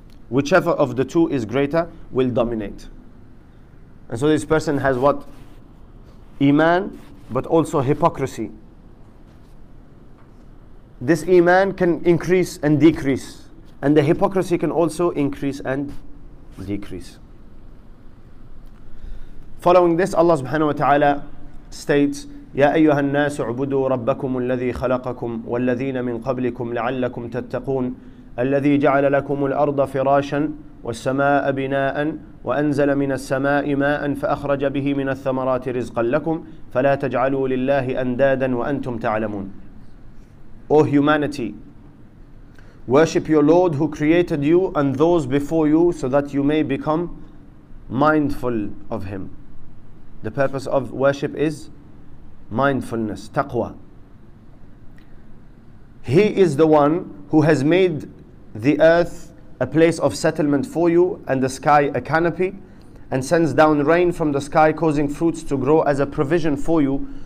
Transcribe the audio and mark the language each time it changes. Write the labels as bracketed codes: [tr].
[en] Whichever of the two is greater will dominate. And so this person has what? Iman, but also hypocrisy. This iman can increase and decrease, and the hypocrisy can also increase and decrease. [ar] Following this, Allah subhanahu wa ta'ala states, يَا أَيُّهَا النَّاسُ عُبُدُوا رَبَّكُمُ الَّذِي خَلَقَكُمْ وَالَّذِينَ مِنْ قَبْلِكُمْ لَعَلَّكُمْ تَتَّقُونَ الَّذِي جَعَلَ لَكُمُ الْأَرْضَ فِرَاشًا وَالسَّمَاءَ بِنَاءً وَأَنزَلَ مِنَ السَّمَاءِ مَاءً فَأَخْرَجَ بِهِ مِنَ الثَّمَرَاتِ رِزْقًا لَكُمْ فَلَا تَجْعَلُوا لِلَّهِ أَنْدَادًا وَأَنْتُمْ تَعْلَمُونَ. [en] O humanity, worship your Lord who created you and those before you so that you may become mindful of Him. The purpose of worship is mindfulness, taqwa. He is the one who has made the earth a place of settlement for you and the sky a canopy, and sends down rain from the sky, causing fruits to grow as a provision for you.